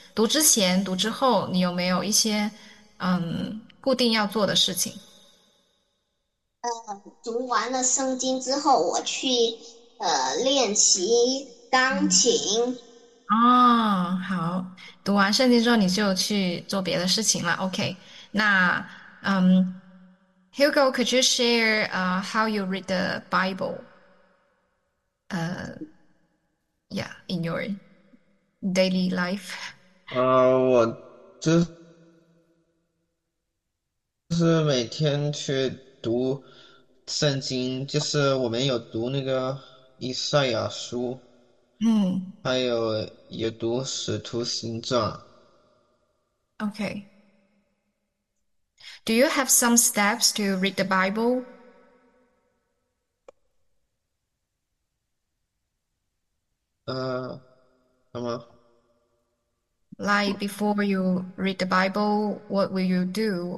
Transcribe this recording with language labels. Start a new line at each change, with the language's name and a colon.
Chinese: 读之前、读之后，你有没有一些固定要做的事情？读完了圣经之后，我去练习钢琴。好，读完圣经之后你就去做别的事情了。
English: OK，那Hugo, could you share how you read the Bible? In your daily life?
Chinese: 我就是每天去读圣经，就是我们有读那个以赛亚书，还有也读使徒行传。
English: Okay. Do you have some steps to read the Bible?
Chinese: 什么？
English: Like before you read the Bible, what will you do?